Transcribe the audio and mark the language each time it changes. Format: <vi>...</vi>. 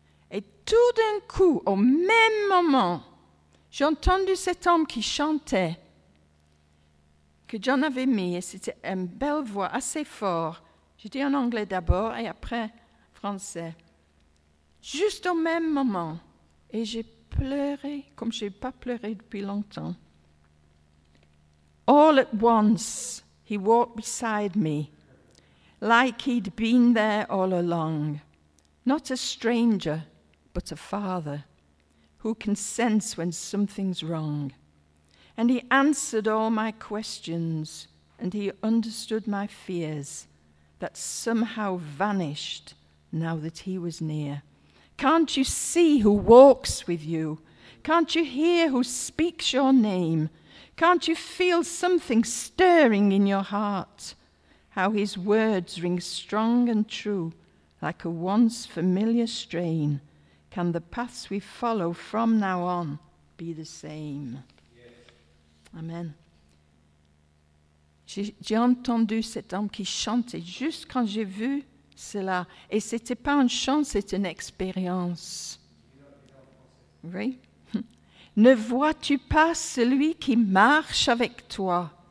<fr>Et tout d'un coup, au même moment, j'ai entendu cet homme qui chantait, que John avait mis, et c'était une belle voix, assez fort. J'ai dit en anglais d'abord, et après français. Juste au même moment, et j'ai pleuré, comme je n'ai pas pleuré depuis longtemps.</fr> <en>All at once, he walked beside me, like he'd been there all along. Not a stranger, but a father, who can sense when something's wrong. And he answered all my questions, and he understood my fears that somehow vanished now that he was near. Can't you see who walks with you? Can't you hear who speaks your name? Can't you feel something stirring in your heart? How his words ring strong and true, like a once familiar strain. Can the paths we follow from now on be the same? Amen.</en> <fr>J'ai entendu cet homme qui chantait juste quand j'ai vu cela. Et ce n'était pas un chant, c'était une expérience. Oui. Ne vois-tu pas celui qui marche avec toi?</fr>